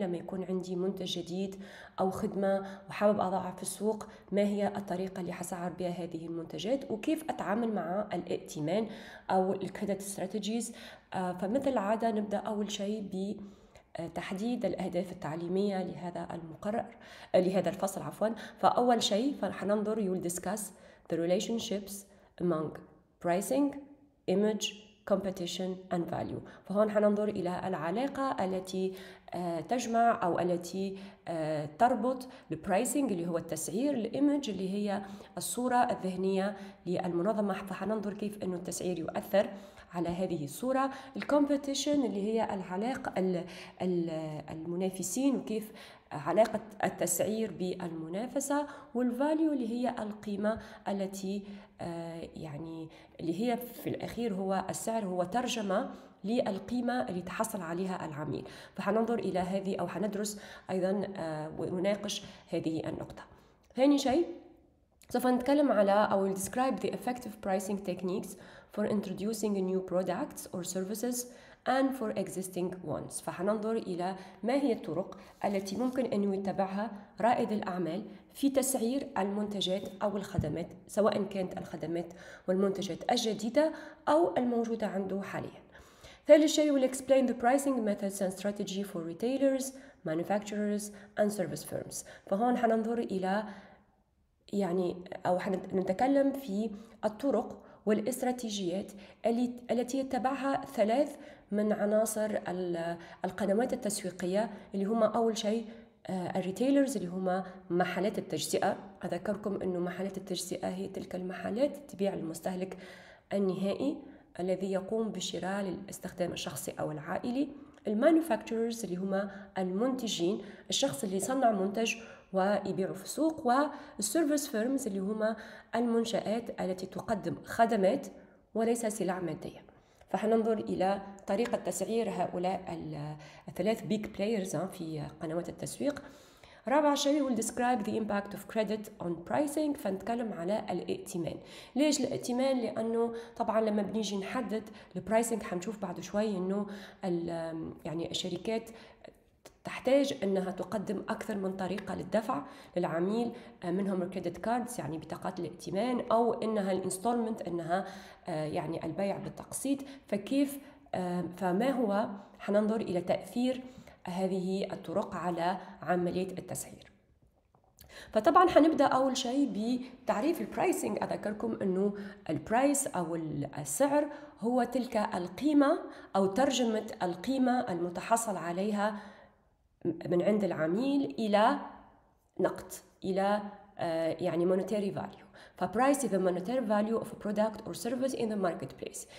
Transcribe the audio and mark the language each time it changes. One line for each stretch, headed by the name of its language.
Arabic: لما يكون عندي منتج جديد أو خدمة وحابب أضعها في السوق، ما هي الطريقة اللي حسعر بها هذه المنتجات، وكيف أتعامل مع الائتمان أو الكريدت استراتيجيز. فمثل العادة نبدأ أول شيء بتحديد الأهداف التعليمية لهذا المقرر، لهذا الفصل عفوا. فأول شيء فحننظر
English: you'll discuss the relationships among pricing, image, competition and value.
Arabic: فهون حننظر إلى العلاقة التي تجمع أو التي تربط the pricing اللي هو التسعير، the image اللي هي الصورة الذهنية للمنظمة. فحننظر كيف إنه التسعير يؤثر على هذه الصورة، the competition اللي هي العلاقة المنافسين وكيف علاقة التسعير بالمنافسة، والفاليو اللي هي القيمة التي يعني اللي هي في الأخير هو السعر، هو ترجمة للقيمة اللي تحصل عليها العميل. فحننظر إلى هذه، أو حندرس أيضا ونناقش هذه النقطة. ثاني شيء سوف نتكلم على أو
English: describe the effective pricing techniques for introducing new products or services and for existing ones.
Arabic: فحننظر إلى ما هي الطرق التي ممكن أن يتبعها رائد الأعمال في تسعير المنتجات أو الخدمات، سواء كانت الخدمات والمنتجات الجديدة أو الموجودة عنده حاليا. ثالث شيء
English: will explain the pricing methods and strategy for retailers, manufacturers and service firms.
Arabic: فهون حننظر إلى يعني أو حنتكلم في الطرق والاستراتيجيات التي يتبعها ثلاث من عناصر القنوات التسويقية، اللي هما أول شيء الريتيلرز اللي هما محلات التجزئة. أذكركم أنه محلات التجزئة هي تلك المحلات تبيع للمستهلك النهائي الذي يقوم بشراء للاستخدام الشخصي أو العائلي. المانوفاكتورز اللي هما المنتجين، الشخص اللي صنع منتج ويبيعه في السوق. والسيرفيس فيرمز اللي هما المنشآت التي تقدم خدمات وليس سلع مادية. فحننظر إلى طريقة تسعير هؤلاء الثلاث
English: big players
Arabic: في قنوات التسويق. رابع شيء
English: will describe the impact of credit on pricing.
Arabic: فنتكلم على الائتمان. ليش الائتمان؟ لأنه طبعا لما بنيجي نحدد البرايسينج، حنشوف بعد شوي أنه يعني الشركات تحتاج أنها تقدم أكثر من طريقة للدفع للعميل، منهم الكريدت كاردز يعني بطاقات الائتمان، أو أنها الانستولمنت، أنها يعني البيع بالتقسيط. فكيف فما هو حننظر إلى تأثير هذه الطرق على عملية التسعير. فطبعا حنبدأ أول شيء بتعريف البرايسينج. أذكركم أنه البرايس أو السعر هو تلك القيمة أو ترجمة القيمة المتحصل عليها من عند العميل إلى نقد، إلى يعني monetary value.
English: فprice is the monetary value of a product or service in the marketplace.